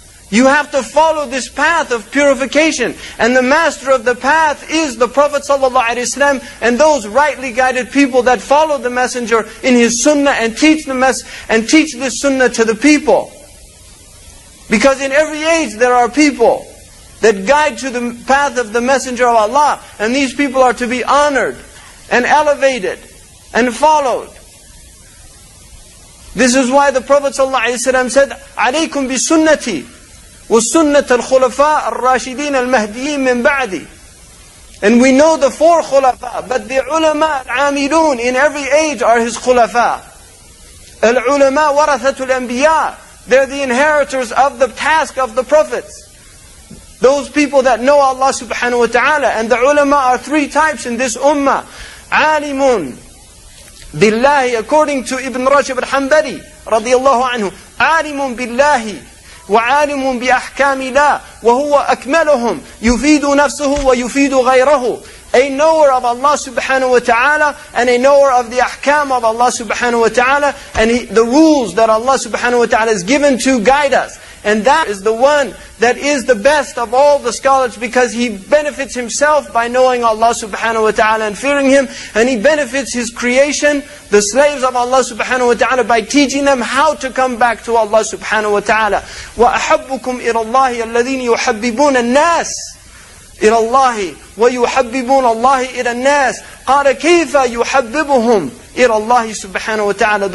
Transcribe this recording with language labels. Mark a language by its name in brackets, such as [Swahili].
[English] You have to follow this path of purification. And the master of the path is the Prophet ﷺ and those rightly guided people that follow the Messenger in his sunnah and teach this sunnah to the people. Because in every age there are people that guide to the path of the Messenger of Allah. And these people are to be honored and elevated and followed. This is why the Prophet ﷺ said, [Arabic] عليكم بسنتي وسنة الخلفاء الراشدين المهديين من بعدي. [English] And we know the four خلفاء, but the ulama al-amilun in every age are his خلفاء. [Arabic] العلماء ورثة الأنبياء, [English] they're the inheritors of the task of the prophets. Those people that know Allah subhanahu wa ta'ala. And the ulama are three types in this ummah. [Arabic] عالمٌ بالله, [English] according to [Arabic] Ibn Rajab al-Hanbali رضي الله عنه, عالمٌ بالله وَعَالِمٌ بِأَحْكَامِ لَا وَهُوَ أَكْمَلُهُمْ يُفِيدُ نَفْسُهُ وَيُفِيدُ غَيْرَهُ. [English] A knower of Allah subhanahu wa ta'ala and a knower of the ahkam of Allah subhanahu wa ta'ala and the rules that Allah subhanahu wa ta'ala has given to guide us. And that is the one that is the best of all the scholars, because he benefits himself by knowing Allah subhanahu wa ta'ala and fearing him. And he benefits his creation, the slaves of Allah subhanahu wa ta'ala, by teaching them how to come back to Allah subhanahu wa ta'ala. [Arabic] وَأَحَبُّكُمْ إِلَى اللَّهِ الَّذِينِ يُحَبِّبُونَ النَّاسِ إلى الله ويحببون الله إلى الناس قال كيف يحببهم إلى الله سبحانه وتعالى.